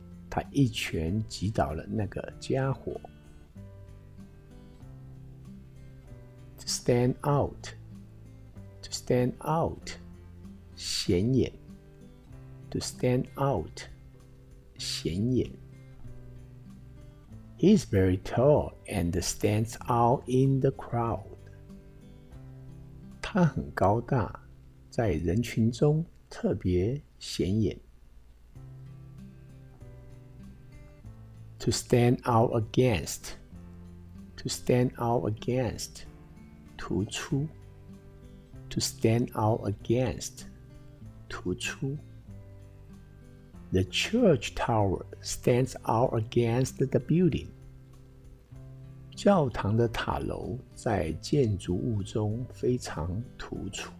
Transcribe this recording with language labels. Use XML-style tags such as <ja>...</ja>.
<zh>他一拳击倒了那个家伙</zh> <en>To stand out. To stand out.</en> <zh>显眼</zh> <en>To stand out.</en> <zh>显眼</zh> <en>He's very tall and stands out in the crowd.</en> <zh>他很高大，在人群中特别显眼。</zh> <en>To stand out against, to stand out against,</en> <zh>突出。</zh> <en>To stand out against,</en> <zh>突出。</zh> <en>The church tower stands out against the building.</en> <zh>教堂的塔楼在建筑物中非常突出。</zh>